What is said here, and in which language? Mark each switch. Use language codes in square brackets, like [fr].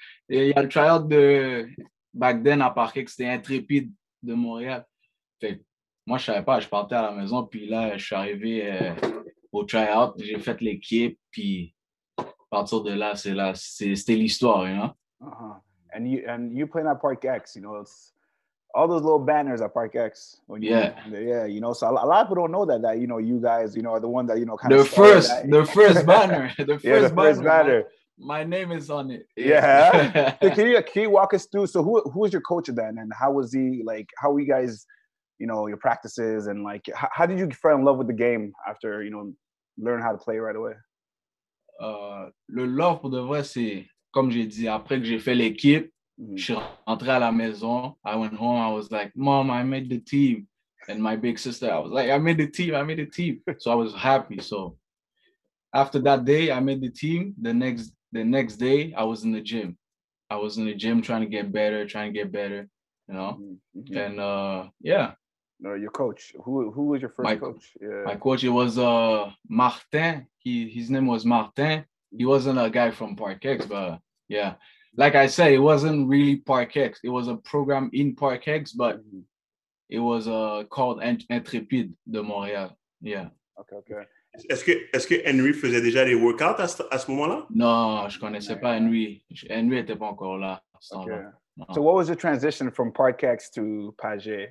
[fr] Et il y a le tryout de [en] back then [fr] à Park Kex, c'était Intrépide de Montréal. Fait, moi je savais pas, je partais à la maison, puis là, je suis arrivé au tryout, j'ai fait l'équipe, puis à partir de là, c'était l'histoire, hein? Uh-huh. [en] And you play at Park Kex, you know, it's... All those little banners at Park Kex. You know, so a lot of people don't know that you know, you guys, you know, are the one that, you know, kind the of... The first banner. The first banner. My name is on it. Yeah. can you walk us through, so who was your coach then? And how was he, like, how were you guys, you know, your practices? And, like, how did you fall in love with the game after, you know, learn how to play right away? [fr] Le love, pour de vrai, c'est, comme j'ai dit, après que j'ai fait l'équipe, je suis rentré à la maison. [en] I went home. I was like, Mom, I made the team. And my big sister, I was like, I made the team. So I was happy. So after that day, I made the team. The next day, I was in the gym. I was in the gym trying to get better, you know? Mm-hmm. And yeah. No, your coach. Who was your first coach? Yeah. My coach, it was Martin. His name was Martin. He wasn't a guy from Park Kex, but yeah. Like I said, it wasn't really Park Kex. It was a program in Park Kex, but it was called Intrépide de Montréal. Yeah. Okay. [fr] Est-ce que Henry faisait déjà des workouts à ce moment-là? Non, je connaissais pas Henry. Henry était pas encore là. [en] Okay. So what was the transition from Park Kex to Pagé?